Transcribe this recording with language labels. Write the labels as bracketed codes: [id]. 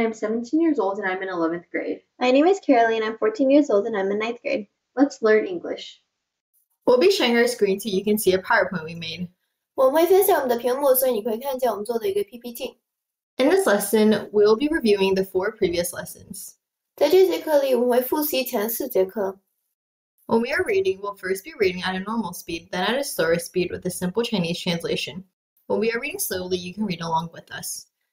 [en] I'm 17 years old and I'm in 11th grade. My name is Caroleen. I'm 14 years old and I'm in 9th grade. Let's learn English. We'll be sharing our screen so you can see a PowerPoint we made. [zh] 我们会分享我们的屏幕, 所以你可以看见我们做的一个PPT. [en] In this lesson, we'll be reviewing the four previous lessons. [zh] 在这节课里,我们会复习前四节课. [en] When we are reading, we'll first be reading at a normal speed, then at a slower speed with a simple Chinese translation. When we are reading slowly, you can read along with us.